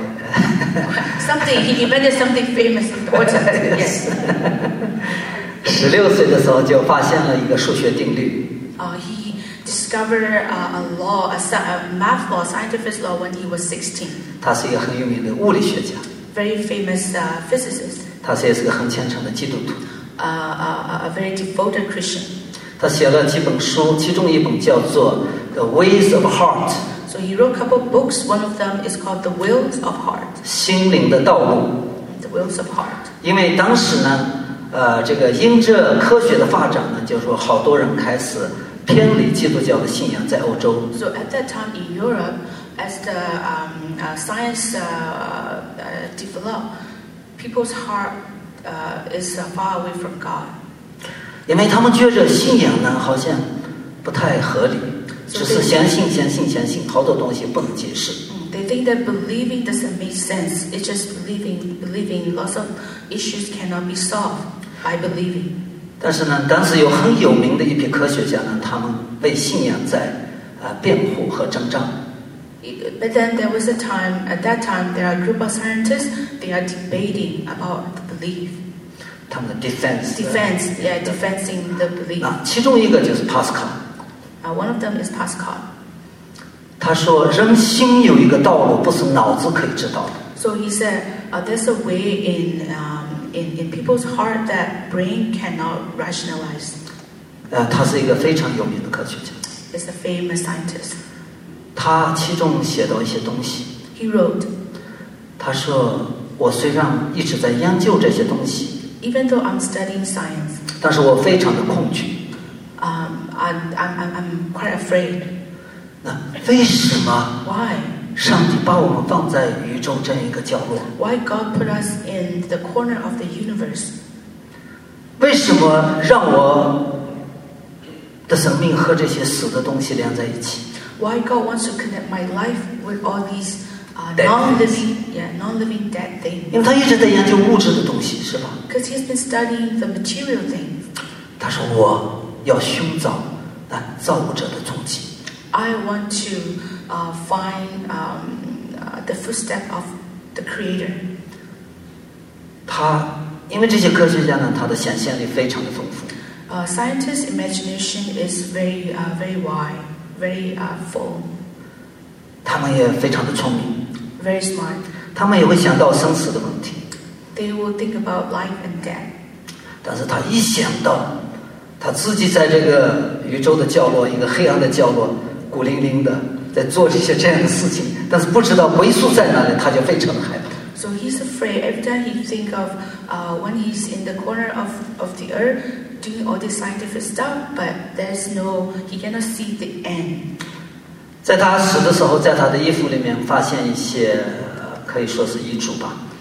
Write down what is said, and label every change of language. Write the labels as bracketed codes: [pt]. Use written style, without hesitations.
[en] He invented something famous important. Yes. [zh] 16岁的时候就发现了一个数学定律。 [en] He discovered a scientific law when he was 16. [zh] 他是一个很有名的物理学家。 [en] Very famous physicist. [zh] 他也是一个很虔诚的基督徒。 [en] A very devoted Christian. [zh] 他写了几本书，其中一本叫做 [en] The Ways of Heart. So he wrote a couple of books. One of them is called The Wills of Heart. [zh] 心灵的道路。 [en] The Wills of Heart. [zh] 因为当时呢，这个因着科学的发展呢，就是说好多人开始偏离基督教的信仰，在欧洲。 [en] So at that time in Europe, as the science develop, people's heart is far away from God. [zh] 因为他们觉着信仰呢，好像不太合理。只是相信，好多东西不能解释。 [en] They think that believing doesn't make sense. It's just believing. Lots of issues cannot be solved by believing. [zh] 但是呢，当时有很有名的一批科学家呢，他们为信仰在辩护和争战。 [en] But then there was a time. At that time, there are a group of scientists. They are debating about the belief. [zh] 他们的 defense. [en] Defense, yeah, defending the belief. [zh] 那其中一个就是 Pascal。 [en] One of them is Pascal. [zh] 他说人心有一个道路不是脑子可以知道的。 [en] So he said, there's a way in people's heart that brain cannot rationalize. [zh] 他是一个非常有名的科学家。 [en] He's a famous scientist. [zh] 他其中写到一些东西。 [en] He wrote. [zh] 他说我虽然一直在研究这些东西。 [en] Even though I'm studying science. [zh] 但是我非常的恐惧。 [en] I'm quite afraid. [zh] 那为什么 [en] ？Why? [zh] 上帝把我们放在宇宙这样一个角落 [en] ？Why God put us in the corner of the universe? [zh] 为什么让我的生命和这些死的东西连在一起 [en] why God wants to connect my life with all these non-living, non-living dead things. [zh] 因为他一直在研究物质的东西，是吧？ [en] Because he's been studying the material things. [zh] 他说我要寻找那造物者的踪迹。 [en] I want to find the footstep of the creator. [zh] 他因为这些科学家呢，他的显现力非常的丰富。 [en] Scientist's imagination is very, very wide, very full. [zh] 他们也非常的聪明。 [en] Very smart. [zh] 他们也会想到生死的问题。 [en] They will think about life and death. [zh] 但是他一想到他自己在这个宇宙的角落，一个黑暗的角落，孤零零的在做这些这样的事情，但是不知道归宿在哪里，他就非常的害怕。 [en] So he's afraid every time he thinks of when he's in the corner of the earth doing all this scientific stuff, but there's no, he cannot see the end. [zh] 在他死的时候，在他的衣服里面发现一些可以说是遗嘱吧。